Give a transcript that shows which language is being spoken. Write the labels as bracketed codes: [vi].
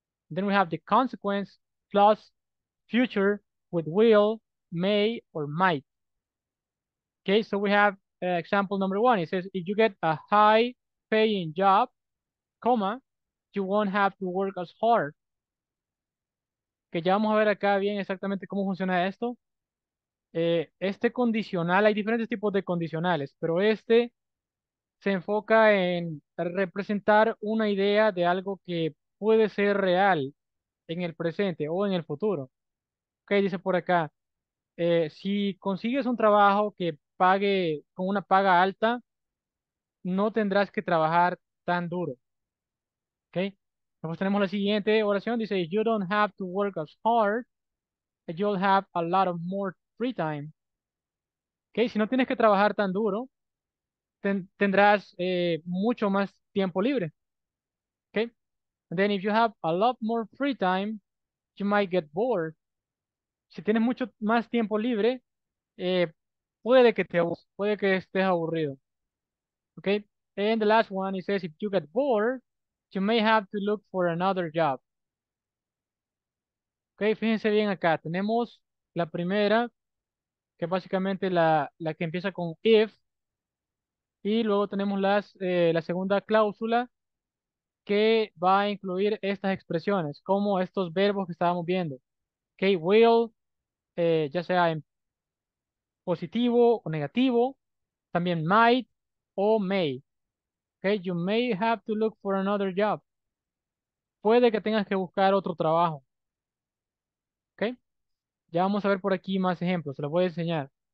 [en] Then we have the consequence plus future with will, may, or might. Okay, so we have example number one. It says, if you get a high paying job, comma, you won't have to work as hard. [es] Que ya vamos a ver acá bien exactamente cómo funciona esto. Este condicional, hay diferentes tipos de condicionales, pero este se enfoca en representar una idea de algo que puede ser real en el presente o en el futuro. Ok, dice por acá, si consigues un trabajo que pague con una paga alta, no tendrás que trabajar tan duro. Ok, después tenemos la siguiente oración, dice, [en] you don't have to work as hard, you'll have a lot of more free time. [es] Ok, si no tienes que trabajar tan duro, tendrás mucho más tiempo libre. Okay? [en] And then if you have a lot more free time, you might get bored. [es] Si tienes mucho más tiempo libre, puede que estés aburrido. Okay? [en] And the last one, it says, if you get bored, you may have to look for another job. [es] Okay, fíjense bien acá. Tenemos la primera, que básicamente la que empieza con if. Y luego tenemos la segunda cláusula que va a incluir estas expresiones, como estos verbos que estábamos viendo. Okay, will, ya sea en positivo o negativo, también might o may. [en] Okay, you may have to look for another job. [es] Puede que tengas que buscar otro trabajo. Okay, ya vamos a ver por aquí más ejemplos, se los voy a enseñar.